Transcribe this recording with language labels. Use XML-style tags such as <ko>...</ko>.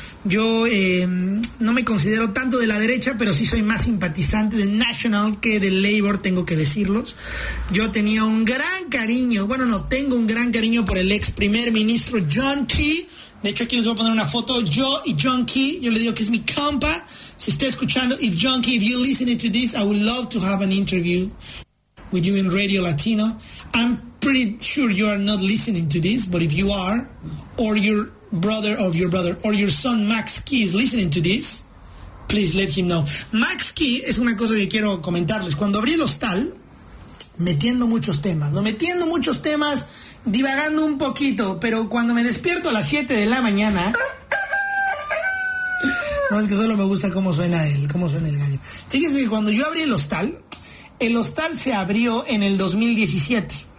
<es>Yo no me considero tanto de la derecha, pero sí soy más simpatizante de National que de Labour, tengo que decirlos. Yo tenía un gran cariño, bueno, no, tengo un gran cariño por el ex primer ministro John Key. De hecho, aquí les voy a poner una foto, yo y John Key. Yo le digo que es mi compa. Si está escuchando,</es> <en>if John Key, if you're listening to this, I would love to have an interview with you in Radio Latino. I'm pretty sure you are not listening to this, but if you are, or you're brother of your brother or your son Max Key is listening to this, please let him know.</en> <es>Max Key es una cosa que quiero comentarles. Cuando abrí el hostal, metiendo muchos temas, divagando un poquito, pero cuando me despierto a las 7 de la mañana, no, es que solo me gusta cómo suena el gallo. Fíjense que cuando yo abrí el hostal se abrió en el 2017.</es>